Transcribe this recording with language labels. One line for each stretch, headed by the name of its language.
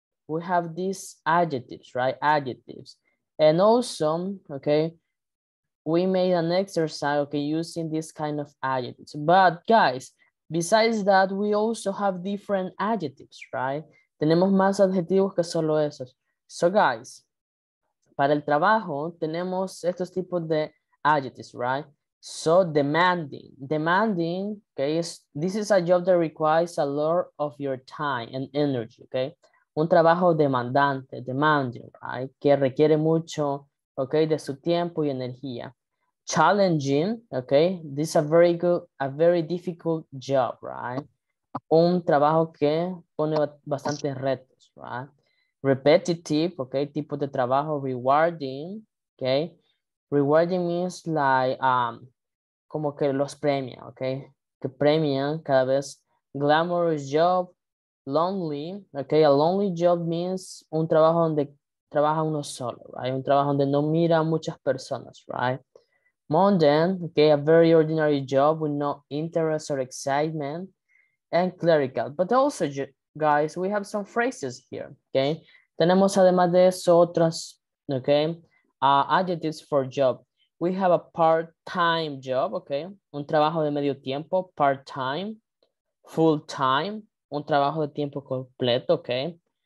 English: We have these adjectives, right? Adjectives. And also, okay, we made an exercise, okay, using this kind of adjectives. But guys, besides that, we also have different adjectives, right?
Spanish: Tenemos más adjetivos que solo esos.
English: So guys,
Spanish: para el trabajo, tenemos estos tipos de adjectives, right?
English: So demanding. Demanding, okay, this is a job that requires a lot of your time and energy, okay?
Spanish: Un trabajo demandante, demanding, right? Que requiere mucho, okay, de su tiempo y energía.
English: Challenging, okay, this is a very good, a very difficult job, right?
Spanish: Un trabajo que pone bastantes retos, right?
English: Repetitive, okay,
Spanish: tipo de trabajo,
English: rewarding, okay? Rewarding means like,
Spanish: como que los premia,
English: okay?
Spanish: Que premian cada vez.
English: Glamorous job, lonely,
Spanish: okay?
English: A lonely job means
Spanish: un trabajo donde trabaja uno solo, right? Un trabajo donde no mira a muchas personas, right?
English: Mundane, okay, a very ordinary job with no interest or excitement. And clerical. But also, guys, we have some phrases here, okay?
Spanish: Tenemos además de eso otras, okay, adjectives for job.
English: We have a part-time job, okay?
Spanish: Un trabajo de medio tiempo,
English: part-time.
Spanish: Full-time, un trabajo de tiempo completo, okay?